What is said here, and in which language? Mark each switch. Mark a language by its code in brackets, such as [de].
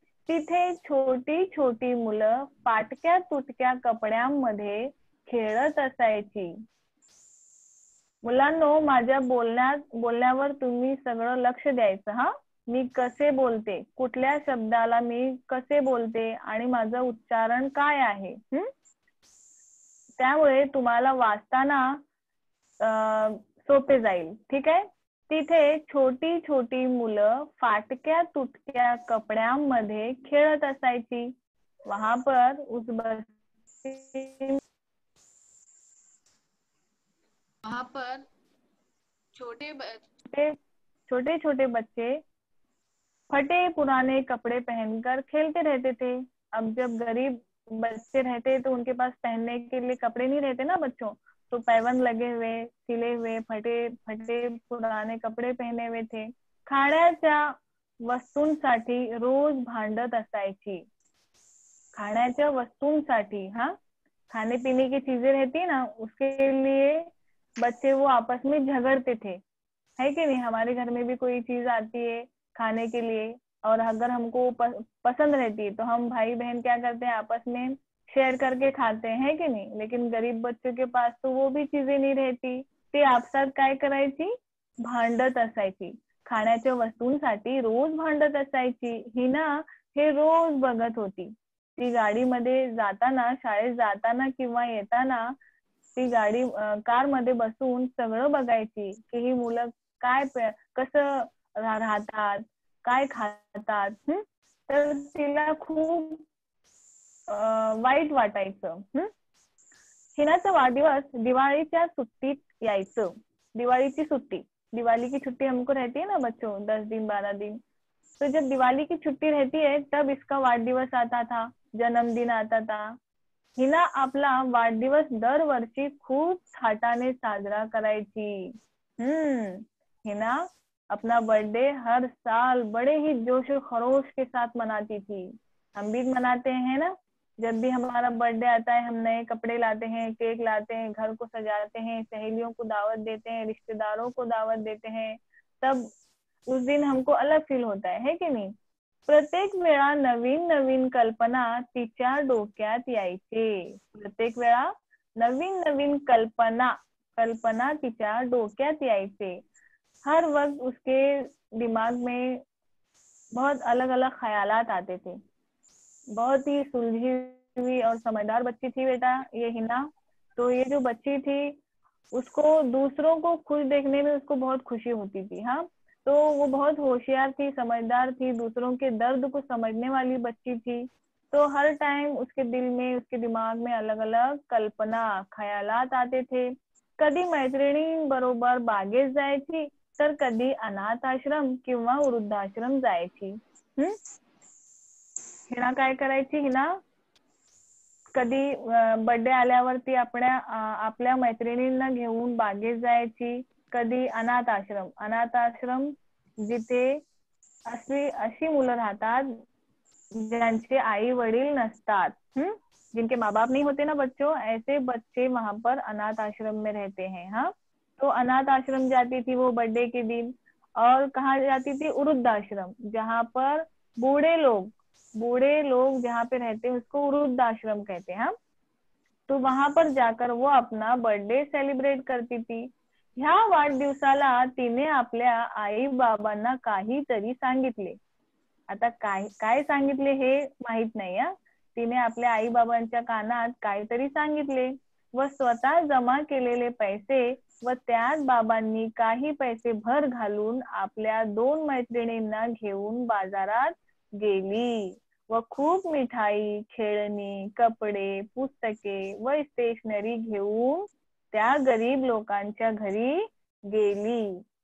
[mr] तिथे छोटी छोटी मुलं फाटक्या तुटक्या कपड्यांमध्ये खेळत असायची। मुलांनो माझ्या बोलण्यावर तुम्ही सगळं लक्ष द्यायचं हा, मी कसे बोलते, कुठल्या शब्दाला मी कसे बोलते आणि माझं उच्चारण काय आहे। त्यामुळे तुम्हाला वाचताना सोपे जाईल, ठीक आहे। तिथे छोटी छोटी मुलं फाटक्या तुटक्या कपड्यांमध्ये खेळत असायची। [hi] वहां पर उस बस्ती वहां पर छोटे छोटे छोटे बच्चे फटे पुराने कपड़े पहनकर खेलते रहते थे। अब जब गरीब बच्चे रहते तो उनके पास पहनने के लिए कपड़े नहीं रहते ना बच्चों, तो पैवंद लगे हुए सिले हुए फटे फटे पुराने कपड़े पहने हुए थे। [mr] खाण्याच्या वस्तूंसाठी रोज भांडत असायची। खाण्याच्या वस्तूंसाठी, [hi] हाँ खाने पीने की चीजें रहती ना उसके लिए बच्चे वो आपस में झगड़ते थे, है कि नहीं। हमारे घर में भी कोई चीज आती है खाने के लिए और अगर हमको पसंद रहती है तो हम भाई बहन क्या करते हैं, आपस में शेयर करके खाते हैं कि नहीं। लेकिन गरीब बच्चों के पास तो वो भी चीजें नहीं रहती, [mr] ते आपसात काय करायची, भांडत असायची। खाण्याच्या वस्तूंसाठी रोज भांडत असायची। हिना हे रोज बघत होती। ती गाडी मध्ये जाताना, शाळेत जाताना किंवा येताना ती गाडी कार मध्ये बसून सगळं बघायची कि ही मुलं काय कसं राहतात, काय खातात। तर तिला खूप वाईट वाटायचं। हिनाचा वाढदिवस दिवाळीच्या सुट्टीत यायचं। दिवाळीची सुट्टी, [hi] दिवाळी की छुट्टी हमको रहती है ना बच्चों 10 दिन 12 दिन। तो जब दिवाळी की छुट्टी रहती है तब इसका वाढदिवस आता था, जन्मदिन आता था। [mr] हिना आपला वाढदिवस दरवर्षी खूप थाटाने साजरा करायची। [hi] हिना अपना बर्थडे हर साल बड़े ही जोश खरोश के साथ मनाती थी। हम भी मनाते हैं ना, जब भी हमारा बर्थडे आता है हम नए कपड़े लाते हैं, केक लाते हैं, घर को सजाते हैं, सहेलियों को दावत देते हैं, रिश्तेदारों को दावत देते हैं, तब उस दिन हमको अलग फील होता है कि नहीं। [mr] प्रत्येक वेळा नवीन नवीन कल्पना तिच्या डोक्यात यायचे। प्रत्येक वेळा नवीन नवीन कल्पना तिच्या डोक्यात यायचे। [hi] हर वक्त उसके दिमाग में बहुत अलग अलग ख्यालात आते थे। बहुत ही सुलझी हुई और समझदार बच्ची थी बेटा ये हिना। तो ये जो बच्ची थी उसको दूसरों को खुश देखने में उसको बहुत खुशी होती थी। हाँ तो वो बहुत होशियार थी, समझदार थी, दूसरों के दर्द को समझने वाली बच्ची थी। तो हर टाइम उसके दिल में, उसके दिमाग में अलग अलग कल्पना ख्यालात आते थे। [mr] कभी मैत्रिणी बरोबर बागेत जायची, तर कधी अनाथ आश्रम किंवा वृद्धाश्रम जायची। हिना काय करायची, हिना कधी बर्थडे आल्यावरती आपल्या आपल्या मैत्रिणींना घेऊन बागेत जायची, कधी अनाथ आश्रम। अनाथ आश्रम जिथे अशी मुलं राहतात ज्यांचे आई वडील नसतात, [hi] जिनके माँ बाप नहीं होते ना बच्चों, ऐसे बच्चे वहां पर अनाथ आश्रम में रहते हैं। हाँ तो अनाथ आश्रम जाती थी वो बर्थडे के दिन। और कहाँ जाती थी, वृद्धाश्रम, जहाँ पर बूढ़े लोग जहाँ पे रहते हैं उसको वृद्धाश्रम कहते हैं। तो वहां पर जाकर वो अपना बर्थडे सेलिब्रेट करती थी। [mr] ह्या वाढदिवसाला तिने आपल्या आई बाबांना काहीतरी सांगितले। आता काय काय सांगितले हे माहित नाही हा। तिने आपल्या आई बाबांच्या कानात काहीतरी सांगितले व स्वतः जमा केलेले पैसे व त्याच बाबांनी काही पैसे भर घालून आपल्या दोन मैत्रिणींना घेऊन बाजारात गेली व खूप मिठाई, खेळणी, कपडे, पुस्तके व स्टेशनरी घेऊन त्या गरीब लोकांच्या घरी गेली।